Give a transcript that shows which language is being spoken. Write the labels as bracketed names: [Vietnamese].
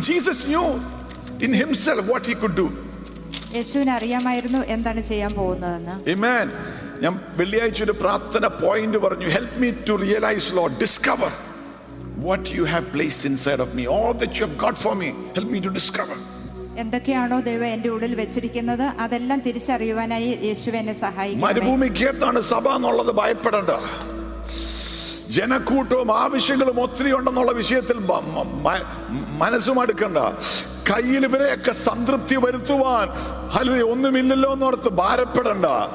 [English] Jesus knew in himself what he could do. [Malayalam] യേശുവിന് അറിയാമായിരുന്നു എന്താണ് ചെയ്യാൻ പോകുന്നതെന്ന്. [English] Amen. [Malayalam] ഞാൻ വെള്ളിയാഴ്ച ഒരു പ്രാർത്ഥന പോയിന്റ് പറഞ്ഞു. [English] Help me to realize, Lord, discover what you have placed inside of me, all that you have got for me, help me to discover. [Malayalam] എന്തൊക്കെയാണോ ദൈവം എന്റെ ഉള്ളിൽ വെച്ചിരിക്കുന്നത് അതെല്ലാം തിരിച്ചറിയുവാനായി യേശുവേ എന്നെ സഹായിക്കണം. മരുഭൂമി കേത്താണ് സഭ എന്നുള്ളത് ഭയപ്പെടണ്ട. ജനക്കൂട്ടവും ആവശ്യങ്ങളും ഒത്തിരി ഉണ്ടെന്നുള്ള വിഷയത്തിൽ മനസ്സുമടുക്കണ്ട. കയ്യിൽ ഇവരെയൊക്കെ സംതൃപ്തി വരുത്തുവാൻ ഹലി ഒന്നുമില്ലല്ലോ എന്നോർത്ത് ഭാരപ്പെടണ്ട.